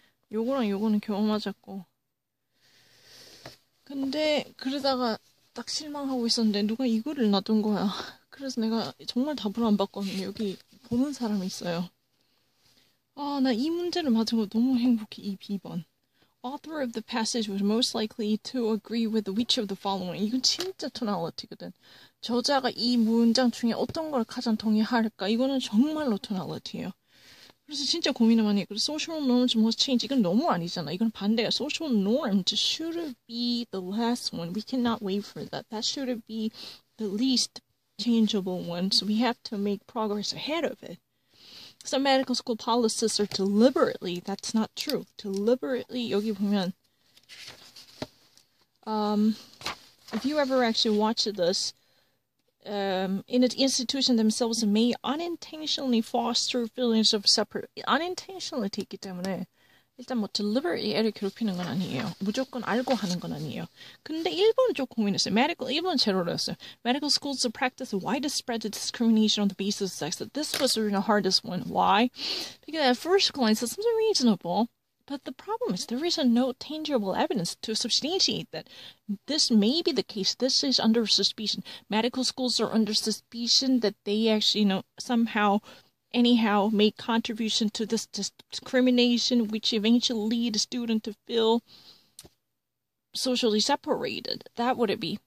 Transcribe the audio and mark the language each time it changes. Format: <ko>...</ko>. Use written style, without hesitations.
<ko>요거랑 요거는 겨우 맞았고. 근데 그러다가 딱 실망하고 있었는데 누가 이거를 놔둔 거야. 그래서 내가 정말 답을 안 봤거든요. 여기 보는 사람이 있어요. 아, 나이 문제를 맞은 거 너무 행복해. 이 B번.</ko> <en>Author of the passage was most likely to agree with which of the following.</en> <ko>이건 진짜 tonality거든. 저자가 이 문장 중에 어떤 걸 가장 동의할까? 이거는 정말로 tonality예요. 그래서 진짜 고민을 많이 했고,</ko> <en>social norms must change.</en> <ko>이건 너무 아니잖아. 이건 반대야.</ko> <en>Social norms should be the last one. We cannot wait for that. That should be the least changeable one. So we have to make progress ahead of it. Some medical school policies are deliberately, that's not true. Deliberately,</en> <ko>여기 보면,</ko> <en>if you ever actually watch this, in an institution themselves may unintentionally foster feelings of separate, unintentionally</en> <ko>됐기 때문에, 일단 뭐 deliberately 애를 괴롭히는 건 아니에요. 무조건 알고 하는 건 아니에요. 근데 1번은 좀 고민했어요. Medical 1번 제로를 했어요.</ko> <en>Medical schools practice widespread discrimination on the basis of sex. This was the hardest one. Why? Because at first glance, it seems reasonable. But the problem is there is no tangible evidence to substantiate that. This may be the case. This is under suspicion. Medical schools are under suspicion that they actually, somehow, anyhow, make contribution to this discrimination, which eventually lead a student to feel socially separated. That would it be?</en>